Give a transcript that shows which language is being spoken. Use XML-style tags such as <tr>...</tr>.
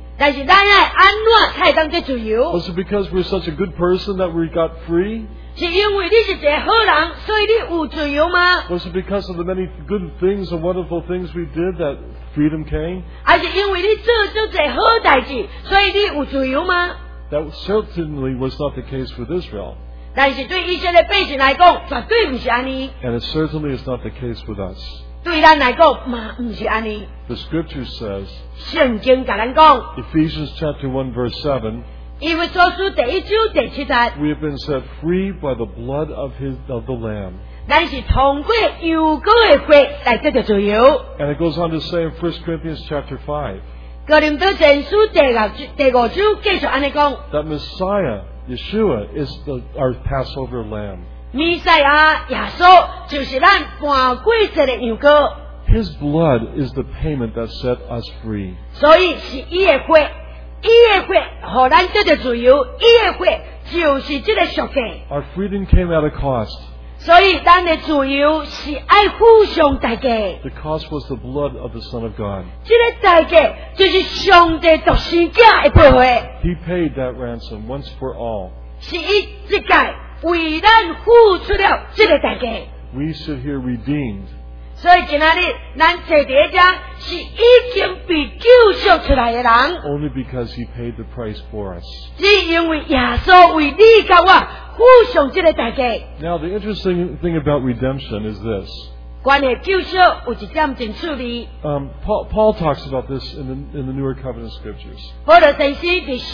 <nan>但是咱爱安怎才当得自由</nan> <en>？Was it because we're such a good person that we got free？</en> <nan>是因为你是一个好人，所以你有自由吗</nan> <en>？Was it because of the many good things and wonderful things we did that freedom came？</en> <nan>还是因为你做足济好代志，所以你有自由吗</nan> <en>？That certainly was not the case with Israel。</en> <nan>但是对以色列百姓来讲，绝对不是安尼。</nan> <en>And it certainly is not the case with us。</en> <nan>对咱来讲嘛，唔是安尼。</nan> <en>The scripture says，</en> <nan>圣经甲咱讲</nan> <en>，Ephesians chapter 1 verse 7，</en> <nan>以弗所书第一章第七节</nan> <en>，We have been set free by the blood of his of the lamb。</en> <nan>咱是通过羊羔的血来得着自由。</nan> <en>And it goes on to say in 1 Corinthians chapter 5，</en> <nan>哥林多前书第五章继续安尼讲。</nan> <en>That Messiah Yeshua is our Passover Lamb.</en> <nan>弥赛亚耶稣就是咱半过节的羊羔。</nan> <en>His blood is the payment that set us free.</en> <nan>所以是伊的血，伊的血，予咱得着自由，伊的血就是这个赎价。</nan> <en>Our freedom came at a cost.</en> <nan>所以咱的自由是爱付上代价。</nan> <en>The cost was the blood of the Son of God.</en> <nan>这个代价就是上帝独生子的宝血。</nan> <en>He paid that ransom once for all.</en> <nan>是伊这界为咱付出了这个代价。</nan> <en>We sit here redeemed.</en> <nan>所以今仔日咱坐伫遮是已经被救赎出来的人。</nan> <en>Only because He paid the price for us.</en> <nan>只因为耶稣为你甲我。</nan> <en>Now, the interesting thing about redemption is this. Paul talks about this in the Newer Covenant Scriptures.</en>